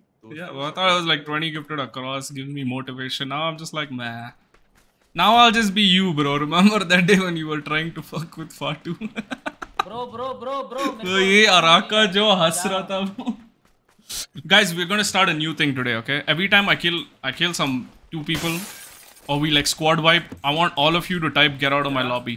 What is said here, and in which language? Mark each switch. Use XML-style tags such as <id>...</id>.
<en>Yeah, well, I thought it was like 20 gifted across, giving me motivation. Now I'm just like, meh. Now I'll just be you, bro. Remember that day when you were trying to fuck with Fatu? Bro.</en> <hi>ये अराका जो हंस रहा था वो.</hi> <en>Guys, we're gonna start a new thing today, okay? Every time I kill some two people, or we like squad wipe, I want all of you to type get out of my lobby.</en>